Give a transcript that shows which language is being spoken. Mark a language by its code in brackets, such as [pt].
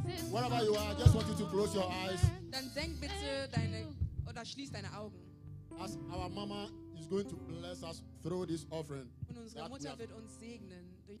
[en] Wherever you are, I just want you to close your eyes. [de] Dann senk bitte deine oder schließ deine Augen. [en] As our mama is going to bless us through this offering. [de] Und unsere Mutter wird uns segnen.